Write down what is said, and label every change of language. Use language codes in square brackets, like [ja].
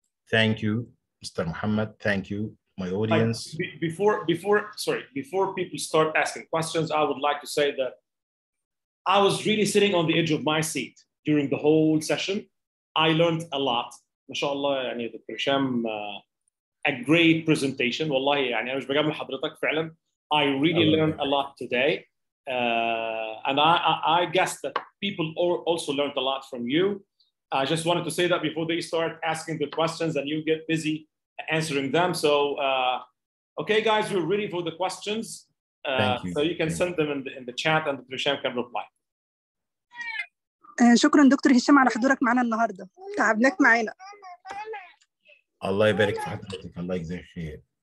[en] Thank you Mr. Muhammad, thank you my audience. Before people start asking questions, I would like to say that I was really sitting on the edge of my seat during the whole session. I learned a lot. [ar] ما شاء الله يعني دكتور هشام [en] a great presentation [ar] والله يعني انا مش بجامل حضرتك فعلا. [en] I really learned a lot today and I guess that people also learned a lot from you. I just wanted to say that before they start asking the questions and you get busy answering them. So okay guys, we're ready for the questions. Thank you. So you can send them in the chat and Dr. Hisham can reply. [ar] شكرا دكتور هشام على حضورك معنا النهارده، تعبناك معانا. الله يبارك في حضرتك، الله يجزيك خير.